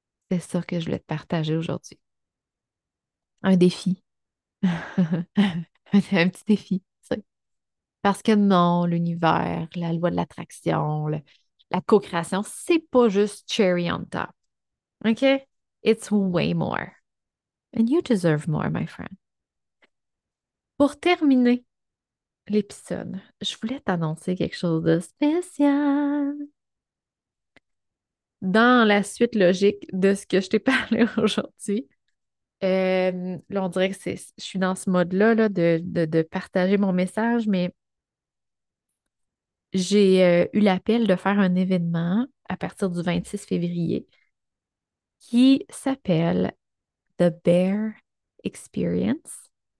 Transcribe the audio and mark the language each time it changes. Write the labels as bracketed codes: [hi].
[fr] C'est ça que je voulais te partager aujourd'hui. Un défi. Un petit défi. Parce que non, l'univers, la loi de l'attraction, la co-création, c'est pas juste [en] cherry on top. OK? It's way more. And you deserve more, my friend. [fr] Pour terminer l'épisode, je voulais t'annoncer quelque chose de spécial. Dans la suite logique de ce que je t'ai parlé aujourd'hui, là, on dirait que c'est, je suis dans ce mode-là là, de partager mon message, mais j'ai eu l'appel de faire un événement à partir du 26 février qui s'appelle The Bare Experience.